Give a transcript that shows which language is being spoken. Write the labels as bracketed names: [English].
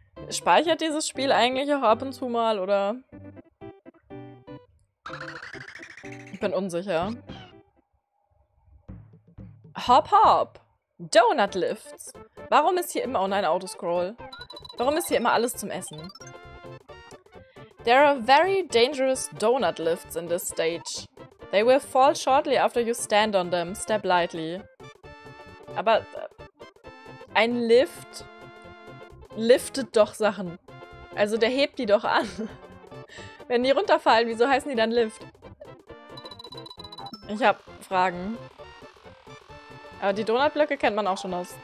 [German] Speichert dieses Spiel eigentlich auch ab und zu mal, oder? Ich bin unsicher. Hop hop! Donut Lifts! Warum ist hier immer... Oh nein, Autoscroll. Warum ist hier immer alles zum Essen? [English] There are very dangerous donut lifts in this stage. They will fall shortly after you stand on them. Step lightly. [German] Aber ein Lift liftet doch Sachen. Also der hebt die doch an. Wenn die runterfallen, wieso heißen die dann Lift? Ich hab Fragen. Aber die Donutblöcke kennt man auch schon aus.